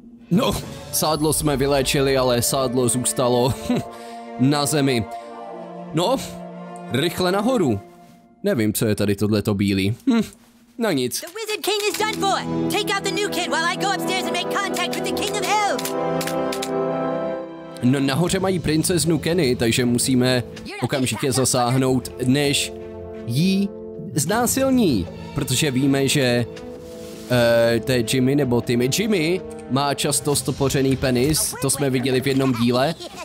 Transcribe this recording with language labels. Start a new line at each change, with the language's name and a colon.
Czech: No, sádlo jsme vyléčili, ale sádlo zůstalo na zemi. No, rychle nahoru. Nevím, co je tady tohleto bílý. No nic.
English: The Wizard King is done for. Take out the new kid while I go upstairs and make contact with the King of Hell.
Czech: No nahoře mají princeznu Kenny, takže musíme okamžitě zasáhnout, než jí znásilní. Protože víme, že to je Jimmy nebo Timmy. Jimmy má často stopořený penis, to jsme viděli v jednom díle.